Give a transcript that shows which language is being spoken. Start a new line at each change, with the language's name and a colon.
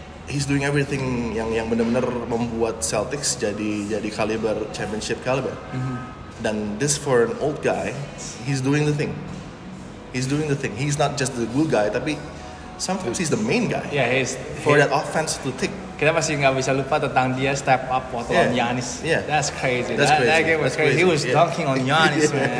English: He's doing everything
Indonesian: yang benar-benar membuat Celtics jadi
English: caliber championship caliber. Dan this for an old guy, he's doing the thing. He's not just the glue guy, tapi sometimes he's the main guy. Yeah, he's for that offense to tick.
Indonesian: Kita masih nggak bisa lupa tentang dia step up waktu on Giannis.
English: Yeah. That's crazy. That's crazy. That game was crazy. He was dunking on Giannis, man.